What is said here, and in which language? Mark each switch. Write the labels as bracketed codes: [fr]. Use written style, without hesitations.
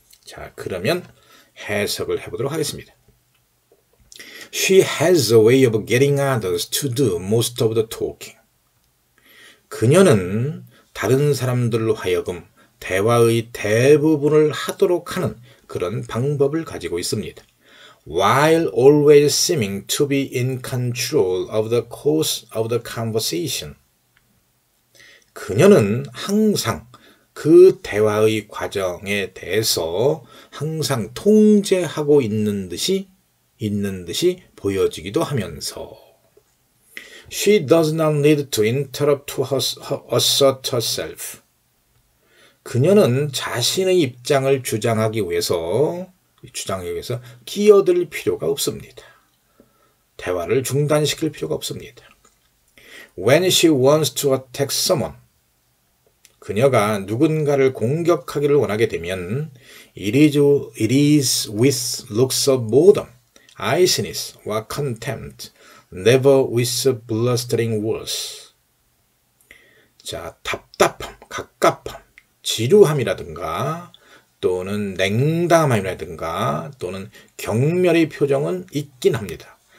[ko] 자, 그러면 해석을 해보도록 하겠습니다. [en] She has a way of getting others to do most of the talking. [ko] 그녀는 다른 사람들로 하여금 대화의 대부분을 하도록 하는 그런 방법을 가지고 있습니다. [en] While always seeming to be in control of the course of the conversation. [ko] 그녀는 항상 그 대화의 과정에 대해서 항상 통제하고 있는 듯이 보여지기도 하면서 [en] She does not need to interrupt to assert herself. [ko] 그녀는 자신의 입장을 주장하기 위해서 끼어들 필요가 없습니다. 대화를 중단시킬 필요가 없습니다. [en] When she wants to attack someone, [ko] 그녀가 누군가를 공격하기를 원하게 되면 [en] it is with looks of boredom, iciness, or contempt, never with blustering words. [ko] 자, 답답함, 갑갑함, 지루함이라든가 또는 냉담함이라든가 또는 경멸의 표정은 있긴 합니다.